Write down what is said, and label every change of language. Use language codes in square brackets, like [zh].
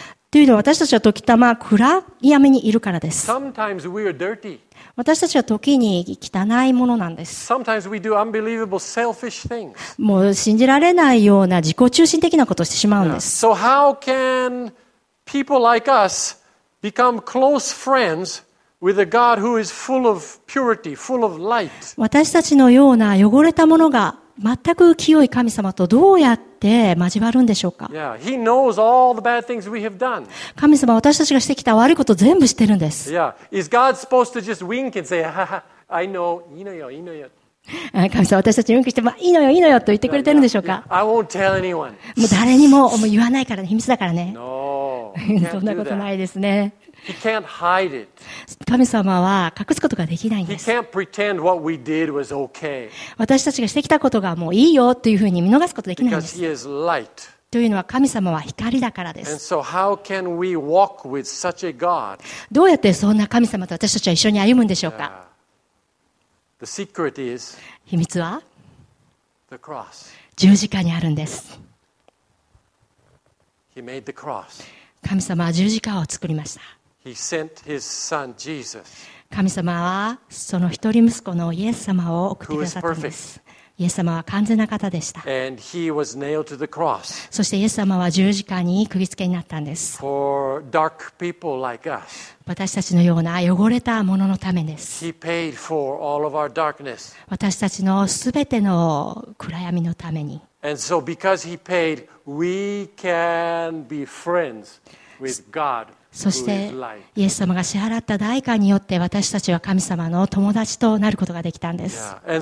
[ja] というのは私たちは時たま暗闇にいるからです。 [en] Sometimes we are dirty. [ja] 私たちは時に汚いものなんです。 [en] Sometimes we do unbelievable selfish things. [ja] もう信じられないような自己中心的なことをしてしまうんです。 [en] So how can people like us become close friends with a God who is full of purity, full of light? [ja] 私たちのような汚れたものが全く清い神様とどうやって交わるんでしょうか。 [en] Yeah, he knows all the bad things we have done. [ja] 神様は私たちがしてきた悪いことを全部知ってるんです。 [en] Yeah. Is God supposed to just wink and say, "Haha, I know, [ja] いいのよ、いいのよ"？神様は私たちにウィンクして、いいのよ、いいのよと言ってくれてるんでしょうか。 [en] Yeah, yeah. I won't tell anyone. [ja] もう誰にも言わないからね、秘密だからね。 [en] No, [ja] そんなことないですね。 [en] He can't hide it. [ja] 神様は隠すことができないんです。 [en] He can't pretend what we did was okay. [ja] 私たちがしてきたことがもういいよというふうに見逃すことができないんです。 [en] Because he is light. [ja] というのは神様は光だからです。 [en] And so how can we walk with such a God? [ja] どうやってそんな神様と私たちは一緒に歩むんでしょうか。 [en] The secret is [ja] 秘密は [en] the cross. [ja] 十字架にあるんです。 [en] He made the cross. [ja] 神様は十字架を作りました。 [en] He sent his son, Jesus. [ja] 神様はその一人息子のイエス様を送ってくださったんです。イエス様は完全な方でした。 [en] And he was nailed to the cross. [ja] そしてイエス様は十字架に釘付けになったんです。 [en] For dark people like us. [ja] 私たちのような汚れたもののためです。 [en] He paid for all of our darkness. [ja] 私たちのすべての暗闇のために。 [en] And so because he paid, we can be friends with God. [ja] そしてイエス様が支払った代価によって私たちは神様の友達となることができたんです。